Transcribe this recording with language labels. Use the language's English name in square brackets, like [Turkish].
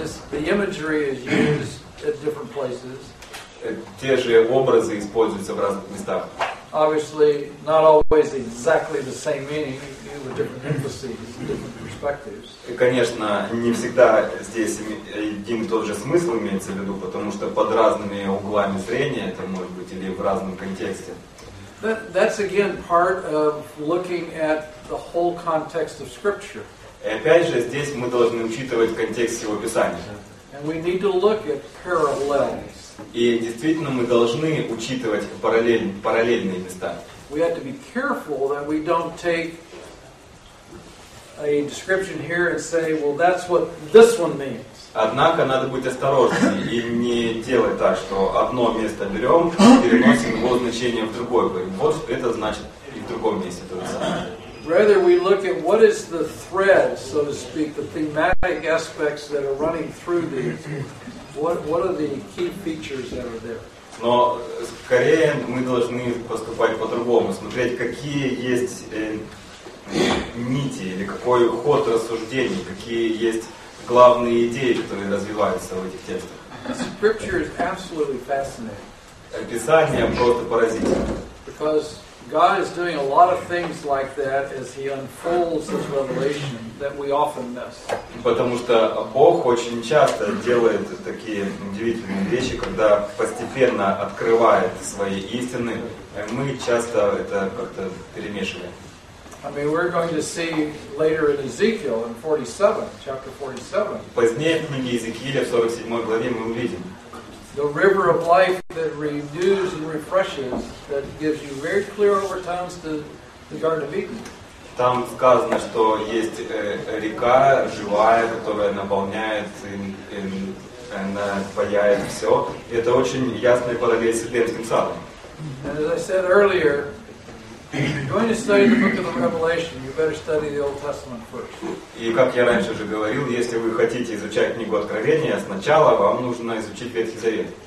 [English] The imagery is used at different places. [Russian] Те же образы используются в разных местах. [English] Obviously, not always exactly the same meaning, with different emphases, different perspectives. [Russian] Конечно, не всегда здесь один и тот же смысл имеется в виду, потому что под разными углами зрения это может быть или в разном контексте. [English] That's again part of looking at the whole context of Scripture. [Russian] И опять же, здесь мы должны учитывать контекст всего Писания. [English] And we need to look at parallels. [Russian] И действительно, мы должны учитывать параллельные места. [English] We have to be careful that we don't take a description here and say, well, that's what this one means. [Russian] Однако надо быть осторожным и не делать так, что одно место берем и переносим его значение в другое. Вот это значит и в другом месте то же самое. [English] Rather, we look at what is the thread, so to speak, the thematic aspects that are running through these. What are the key features that are there? [Russian] Но скорее мы должны поступать по-другому, смотреть, какие есть нити или какой ход рассуждений, какие есть главные идеи, которые развиваются в этих текстах. [English] Scripture is absolutely fascinating. [Russian] Описание просто поразительно. [English] Because God is doing a lot of things like that as He unfolds His revelation that we often miss. [Russian] Потому что Бог очень часто делает такие удивительные вещи, когда постепенно открывает свои истины. Мы часто это как-то перемешиваем. [English] I mean, we're going to see later in Ezekiel in 47, chapter 47. [Russian] Позднее в книге Иезекииля в 47 главе мы увидим. [English] The river of life that renews and refreshes, that gives you very clear overtones to the Garden of Eden. [Russian] Там сказано, что есть река живая, которая наполняет и напояет все. Это очень ясная параллель с Эдемским садом. [English] And as I said earlier, if you're going to study the Book of the Revelation, you better study the Old Testament first. [Russian] И как я раньше уже говорил, если вы хотите изучать книгу Откровения, сначала вам нужно изучить Ветхий Завет.